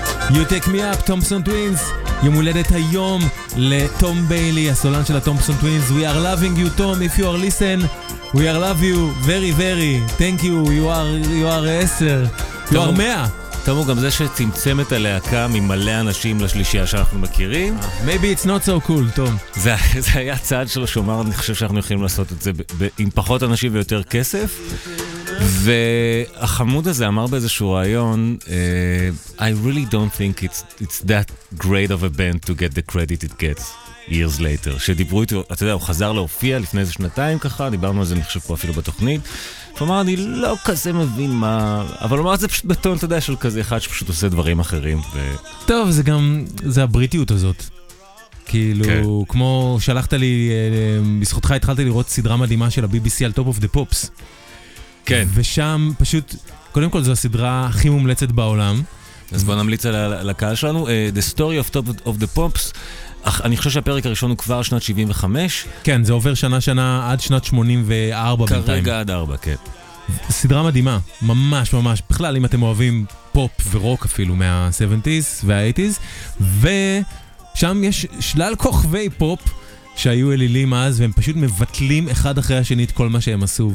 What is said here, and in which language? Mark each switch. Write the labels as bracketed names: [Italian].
[English] You take me up, Thompson Twins. [Hebrew] יום הולדת היום לטום ביילי, הסולן של הטומפסון טווינס. [English] We are loving you, Tom, if you are listen. We are love you very very. Thank you, you are 10. You are 100. [Hebrew] תמו גם זה שצמצם את הלהקה ממלא אנשים לשלישייה שאנחנו מכירים. [English] Maybe it's not so cool, Tom. [Hebrew] זה היה צעד שלו שאומר, אני חושב שאנחנו יכולים לעשות את זה עם פחות אנשים ויותר כסף. והחמוד הזה אמר באיזשהו רעיון, [English] I really don't think it's that great of a band to get the credit it gets years later. [Hebrew] שדיברו איתו, אתה יודע, הוא חזר להופיע לפני איזה שנתיים ככה, דיברנו על זה, אני חושב פה אפילו בתוכנית. כלומר, אני לא כזה מבין מה... אבל אומר, זה פשוט בטון, אתה יודע, של כזה אחד שפשוט עושה דברים אחרים. טוב, זה גם... זה הבריטיות הזאת. כאילו, כמו שלחת לי, בזכותך התחלתי לראות סדרה מדהימה של ה-BBC על Top of the Pops. כן. ושם פשוט, קודם כל זו הסדרה הכי מומלצת בעולם. אז בוא נמליץ על הקהל שלנו. [English] The Story of Top of the Pops. [Hebrew] אני חושב שהפרק הראשון הוא כבר שנת 75. כן, זה עובר שנה-שנה עד שנת 84 בינתיים. כרגע עד 4, כן. סדרה מדהימה, ממש ממש. בכלל, אם אתם אוהבים פופ ורוק אפילו מה-70s וה-80s. ושם יש שלל כוכבי פופ שהיו אלילים אז, והם פשוט מבטלים אחד אחרי השני את כל מה שהם עשו.